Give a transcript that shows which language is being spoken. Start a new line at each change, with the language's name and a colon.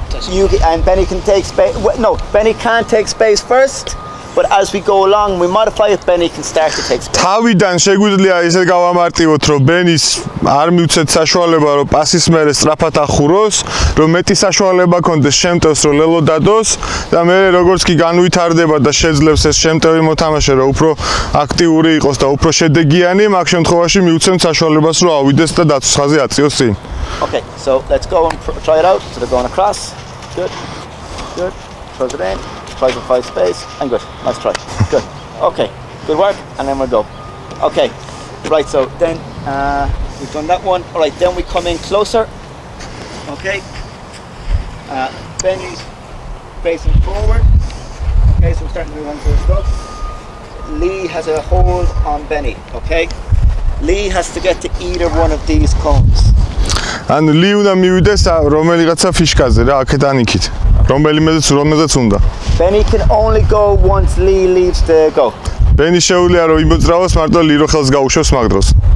English: You and Benny can take space. No, Benny can't take space first. But as we go along we modify it, Benny can start to take space.
Georgian: თავიდან შეგვიძლია ისე გავამარტივოთ რომ Benny-ს არ მიუცეთ საშუალება რომ პასის მერე სწრაფად ახუროს, რომ მეტი საშუალება კონდეს შემტევს რომ ლელო დადოს და მერე როგორც კი განვითარდება და შეძლებს ეს შემტევი მოთამაშე რომ უფრო აქტიური იყოს და უფრო შედეგიანი, მაგ შემთხვევაში მიუცენ საშუალებას რომ ავიდეს და დაცვის ხაზე აწიოს წინ.
English: Okay, so let's go and try it out. So they're going across. Good. Throws it in. Five and five space and good. Nice try. Good. Okay. Good work. And then we'll go. Okay. Right, so then we've done that one. Alright, then we come in closer. Okay. Benny's facing forward. Okay, so we're starting to move on to the stuff. Lee has a hold on Benny, okay? Lee has to get to either one of these cones.
Georgian: And Lee უნდა მივიდეს რომელიღაცა ფიშკაზე რა, აქეთან იქით. რომელიმეზეც რომელზეც უნდა.
English: Benny can only go once Lee leaves the go.
Georgian: Benny შეუძლია რომ იმოძრავოს მარტო Lee რო ხელს გაუშვოს მაგ დროს.